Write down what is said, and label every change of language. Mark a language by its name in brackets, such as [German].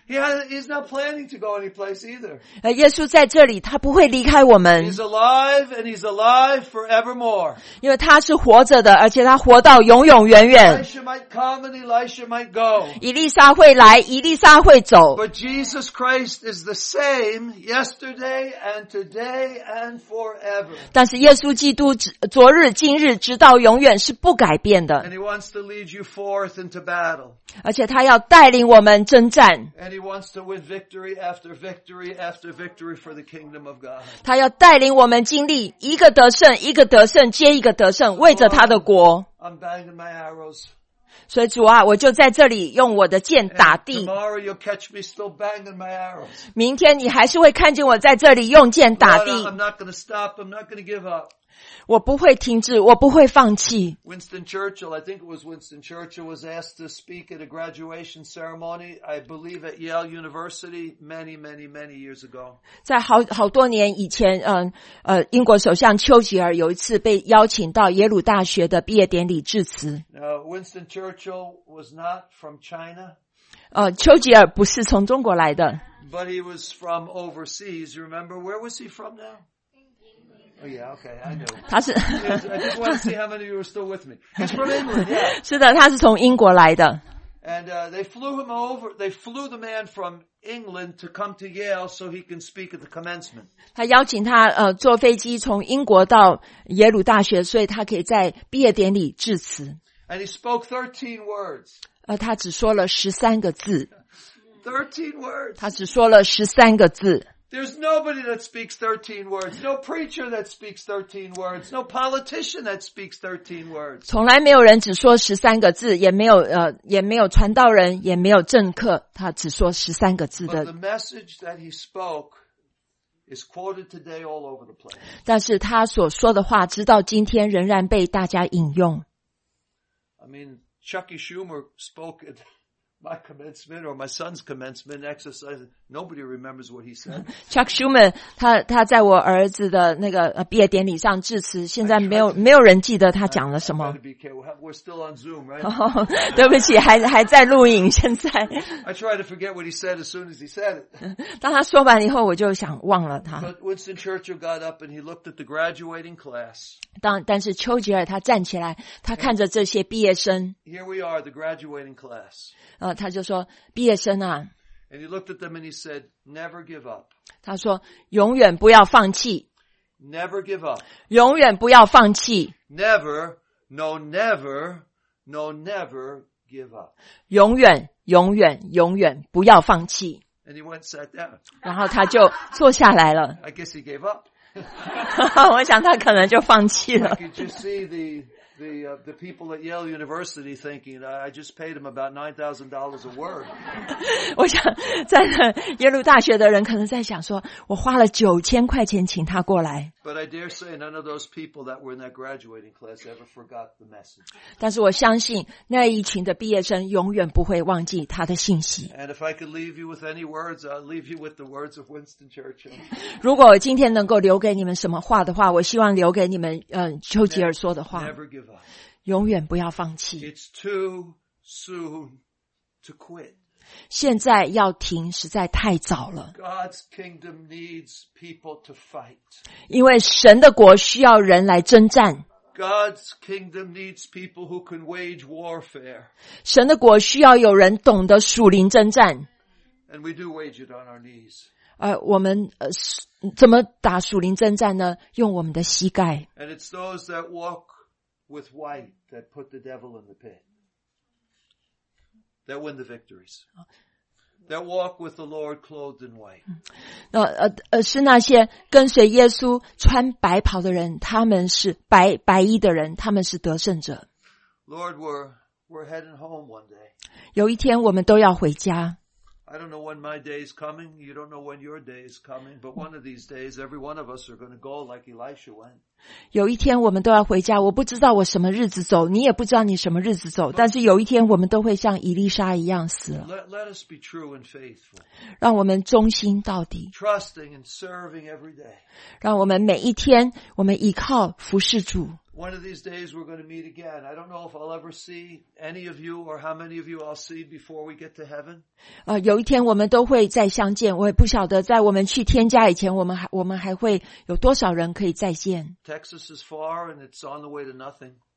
[English] He's not planning to go any place either. [Chinese] 耶稣在这里，他不会离开我们。 [English] He's alive and he's alive forevermore. [Chinese] 因为他是活着的，而且他活到永永远远。 [English] Elisha might come and Elisha might go. [Chinese] 以利沙会来，以利沙会走。 [English] But Jesus Christ is the same yesterday and today and forever. [Chinese] 但是耶稣基督昨日、今日、直到永远是不改变的。 [English] And he wants to lead you forth into battle. [Chinese] 而且他要带领我们征战。 [English] And he wants to win victory after victory after victory for the kingdom of God. [Chinese] 他要带领我们经历一个得胜，一个得胜，接一个得胜，为着他的国。 [English] I'm banging my arrows. [Chinese] 所以主啊，我就在这里用我的剑打地。 [English] And tomorrow you'll catch me still banging my arrows. [Chinese] 明天你还是会看见我在这里用剑打地。 [English] But I'm not going to stop. I'm not going to give up. [Chinese] 我不会停止，我不会放弃。 [English] Winston Churchill, I think it was Winston Churchill, was asked to speak at a graduation ceremony, I believe at Yale University, many, many, many years ago. [Chinese] 在 好多年以前，英国首相丘吉尔有一次被邀请到耶鲁大学的毕业典礼致辞。 [English] Winston Churchill was not from China. [Chinese] 丘吉尔不是从中国来的。 [English] But he was from overseas, you remember? Where was he from now? Oh, yeah, okay, I know. I just want to see how many of you are still with me. He's from England, yeah. [Chinese] 是的，他是从英国来的。 [English] And, they flew the man from England to come to Yale so he can speak at the commencement. [Chinese] 他邀请他坐飞机从英国到耶鲁大学，所以他可以在毕业典礼致辞。 [English] And he spoke 13 words. [Chinese] 他只说了13个字。 [English] 13 words. [Chinese] 他只说了13个字。 [English] There's nobody that speaks 13 words. No preacher that speaks 13 words. No politician that speaks 13 words. [Chinese] 从来没有人只说13个字，也没有传道人，也没有政客，他只说13个字的。 [English] But the message that he spoke is quoted today all over the place. [Chinese] 但是他所说的话，直到今天仍然被大家引用。 [English] I mean, Chuckie Schumer spoke it. My commencement or my son's commencement exercise, nobody remembers what he said. [Chinese] Chuck Schumer, 他在我儿子的那个毕业典礼上致辞，现在没有人记得他讲了什么。 [English] We're still on Zoom, right? [Chinese] 对不起，还在录影现在。 [English] I try to forget what he said as soon as he said it. [Chinese] 当他说完以后，我就想忘了他。 [English] But Winston Churchill got up and he looked at the graduating class. [Chinese] 但是丘吉尔他站起来，他看着这些毕业生。 [English] Here we are, the graduating class. [Chinese] 他就说毕业生啊。 [English] And he looked at them and he said, never give up. [Chinese] 他说永远不要放弃。 [English] Never give up. [Chinese] 永远不要放弃。 [English] Never, no never, no never give up. [Chinese] 永远永远永远不要放弃。 [English] And he went and sat down. [Chinese] 然后他就坐下来了。 [English] I guess he gave up. [Chinese] 我想他可能就放弃了。 [English] Like, did you see the people at Yale University thinking, I just paid them about $9,000 a word. [Chinese] 我想在耶鲁大学的人可能在想说我花了9000块钱请他过来。 [English] But I dare say none of those people that were in that graduating class ever forgot the message. [Chinese] 但是我相信那一群的毕业生永远不会忘记他的信息。 [English] And if I could leave you with any words, I'll leave you with the words of Winston Churchill. [Chinese] 如果我今天能够留给你们什么话的话，我希望留给你们丘吉尔说的话。永远不要放弃。 [English] It's too soon to quit. [Chinese] 现在要停实在太早了。 [English] God's kingdom needs people to fight. [Chinese] 因为神的国需要人来征战。 [English] God's kingdom needs people who can wage warfare. [Chinese] 神的国需要有人懂得属灵征战。 [English] And we do wage it on our knees. [Chinese] 我们怎么打属灵征战呢？用我们的膝盖。 [English] And it's those that walk. With white that put the devil in the pit. That win the victories. That walk with the Lord clothed in white. [Chinese] 是那些跟随耶稣穿白袍的人，他们是白衣的人，他们是得胜者。 [English] Lord, we're heading home one day. [Chinese] 有一天我们都要回家。 [English] I don't know when my day is coming, you don't know when your day is coming, but one of these days, every one of us are going to go like Elisha went. [Chinese] 有一天我们都要回家，我不知道我什么日子走，你也不知道你什么日子走，但是有一天我们都会像以利沙一样死了。 [English] Let us be true and faithful. [Chinese] 让我们忠心到底。 [English] Trusting and serving every day. [Chinese] 让我们每一天，我们依靠服侍主。 [English] One of these days we're going to meet again. I don't know if I'll ever see any of you or how many of you I'll see before we get to heaven. [Chinese] 有一天我们都会再相见，我也不晓得在我们去天家以前我们还会有多少人可以再见。 [English] Texas is far and it's on the way to nothing.